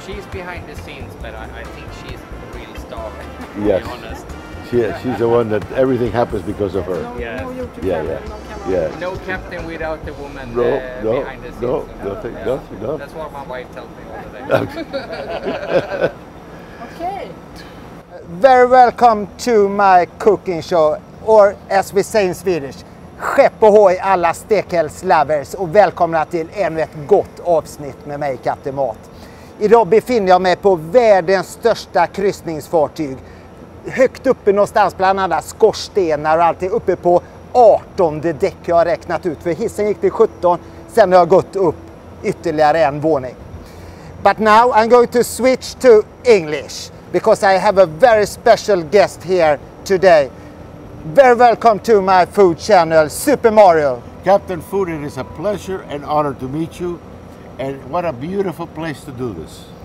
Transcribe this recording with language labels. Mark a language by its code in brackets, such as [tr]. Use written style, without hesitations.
[en] So she's behind the scenes, but I think she's a real star. Yes. To be honest. She's the one that everything happens because of her. No, yes. No captain without the woman behind the scenes. No. That's what my wife tells me all the time. Okay. Very welcome to my cooking show, or as we say in Swedish, [sv] Skepp, ohoj, alla stekhällslovers, och välkomna till ännu ett gott avsnitt med mig, Kapten Mat. Idag befinner jag mig på världens största kryssningsfartyg. Högt uppe någonstans bland annat skorstenar och alltid uppe på 18:e däck jag har räknat ut, för hissen gick till 17, sen har jag gått upp ytterligare en våning. [en] But now I'm going to switch to English, because I have a very special guest here today. Very welcome to my food channel, Super Mario. Captain Food, it is a pleasure and honor to meet you, and what a beautiful place to do this.